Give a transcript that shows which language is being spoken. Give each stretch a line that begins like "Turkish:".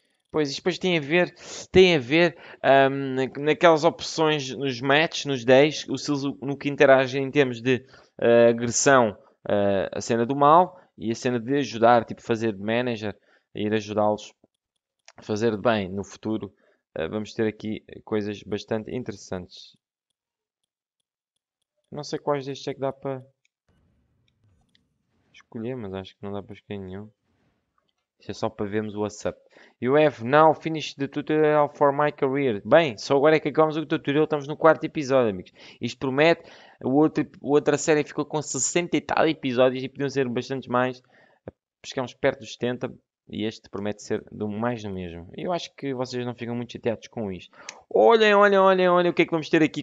Portuguese: Pois, isto depois tem a ver naquelas opções nos matches, nos 10, no que interagem em termos de agressão, a cena do mal e a cena de ajudar, tipo, fazer de manager, ir ajudá-los a fazer de bem no futuro. Vamos ter aqui coisas bastante interessantes. Não sei quais destes é que dá para escolher, mas acho que não dá para escolher nenhum. Isto é só para vermos o WhatsApp.
English: You have now finished the tutorial for my career.
Portuguese: Bem, só agora é que acabamos o tutorial. Estamos no quarto episódio, amigos. Isto promete. A outra série ficou com 60 e tal episódios e podiam ser bastante mais. Chegamos perto dos 70. E este promete ser do mais do mesmo. Eu acho que vocês não ficam muito chateados com isto. Olhem o que é que vamos ter aqui.